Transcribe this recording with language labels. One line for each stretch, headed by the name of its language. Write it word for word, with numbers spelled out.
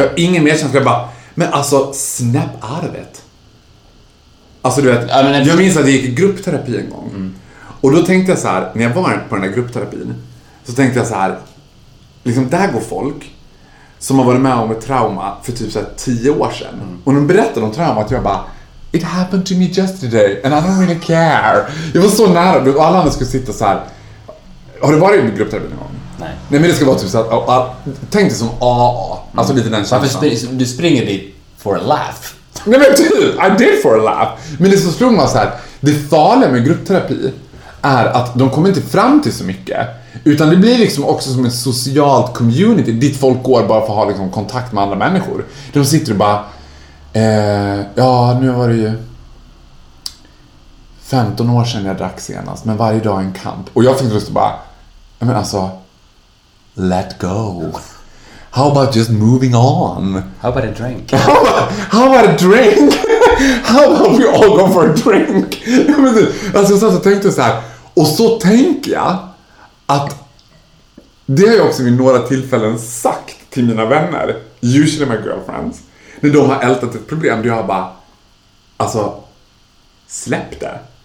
Swedish: Jag har ingen medkänsla. Jag bara, men alltså snäpp arvet. Alltså du vet, ja, men jag minns att jag gick i gruppterapi en gång. Mm. Och då tänkte jag så här, när jag var på den där gruppterapin, så tänkte jag så här, liksom där går folk som har varit med om ett trauma för typ såhär tio år sedan. Mm. Och de berättade om traumat. Jag bara,
English: it happened to me just today and I don't really care.
Swedish: Jag var så nära. Och alla andra skulle sitta så här. Har du varit i en gruppterapi någon gång? Nej. Nej, men det ska vara typ så att, och, och, tänk dig som A A. Alltså lite den känslan. Sp- du springer dit
English: for a laugh.
Swedish: Nej men typ,
English: I did for a laugh.
Swedish: Men det som slog mig så här, det farliga med gruppterapi är att de kommer inte fram till så mycket. Utan det blir liksom också som en socialt community dit folk går bara för att ha liksom kontakt med andra människor. De sitter och bara eh, ja, nu var det ju femton år sedan jag drack senast, men varje dag är en kamp. Och jag fick lust att bara, men alltså,
English: let go. How about just moving on? How about a drink? How about, how about a drink? How about we all go for a drink?
Swedish: Alltså jag satt och tänkte så här. Och så tänker jag att det har jag också vid några tillfällen sagt till mina vänner,
English: usually my girlfriends,
Swedish: när de har ältat ett problem, då jag bara, alltså, släpp det.